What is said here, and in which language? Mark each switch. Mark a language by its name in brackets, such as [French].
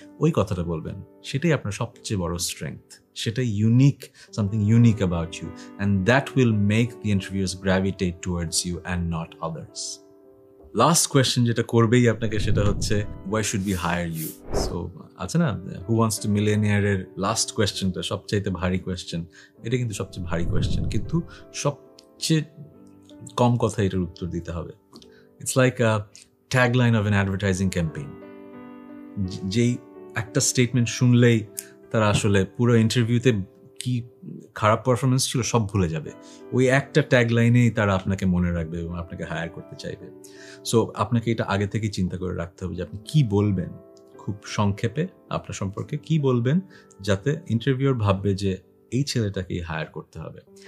[Bangla] ওই কথাটা বলবেন, সেটাই আপনার সবচেয়ে বড় স্ট্রেংথ, সেটাই unique, [English] Something unique about you, and that will make the interviewers gravitate towards you and not others. [Bangla] Last question যেটা করবেই আপনাকে সেটা হচ্ছে, [English] Why should we hire you? [Bangla] So আছে না হু ওয়ান্টস টু মিলিয়নিয়ারের লাস্ট কোয়েশ্চেনটা সবচাইতে ভারী কোয়েশ্চেন, এটা কিন্তু সবচেয়ে ভারী কোয়েশ্চেন, কিন্তু সবচেয়ে কম কথা এটার উত্তর দিতে হবে। [English] It's like a tagline of an advertising campaign. [Bangla] যেই একটা স্টেটমেন্ট শুনলেই তারা আসলে পুরো ইন্টারভিউতে কী খারাপ পারফরমেন্স ছিল সব ভুলে যাবে, ওই একটা ট্যাগলাইনেই তারা আপনাকে মনে রাখবে এবং আপনাকে হায়ার করতে চাইবে। সো আপনাকে এটা আগে থেকেই চিন্তা করে রাখতে হবে যে আপনি কী বলবেন খুব সংক্ষেপে, আপনার সম্পর্কে কী বলবেন যাতে ইন্টারভিউয়ার ভাববে যে এই ছেলেটাকেই হায়ার করতে হবে।